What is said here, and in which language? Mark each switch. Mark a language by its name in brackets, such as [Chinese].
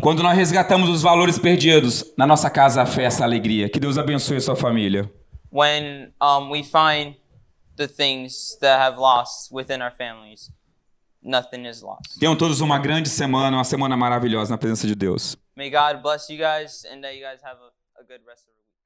[Portuguese] Quando nós resgatamos os valores perdidos, na nossa casa há festa, alegria. Que Deus abençoe a sua família. [English] When we find the things that have lost within our families, nothing is lost. [Portuguese] Tenham todos uma grande semana, uma semana maravilhosa na presença de Deus. [English] May God bless you guys and that you guys have a good rest of the week.